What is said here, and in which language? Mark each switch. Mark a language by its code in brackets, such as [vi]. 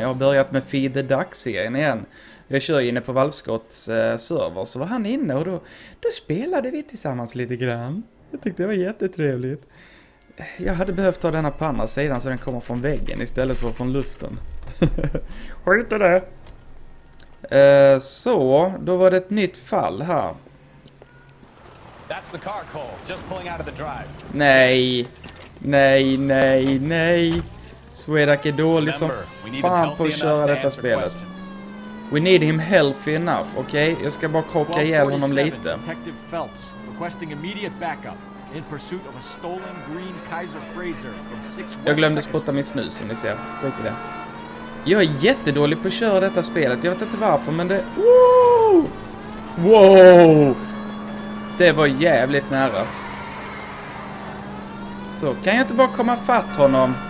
[sv] Jag har börjat med Feed the Duck-serien igen. Jag kör inne på Valpskotts server, så var han inne och då spelade vi tillsammans lite grann. Jag tyckte det var jättetrevligt. Jag hade behövt ta denna på andra sidan så den kommer från väggen istället för från luften. Skit i det! Så, då var det ett nytt fall här. [en] That's the car, Cole. Just pulling out of the drive. [sv] Nej. Swedak är dålig som fan på att köra detta spelet. [en] We need him healthy enough, okej? Okay? [sv] Jag ska bara kocka ihjäl honom lite. [en] Detective Phelps requesting immediate backup in pursuit of a stolen green Kaiser Frazier from 6 West. [sv] Jag glömde spotta min snus som ni ser. Skit i det. Jag är jättedålig på att köra detta spelet. Jag vet inte varför, men det... Woo! Wow! Det var jävligt nära. Så, kan jag inte bara komma fatt honom?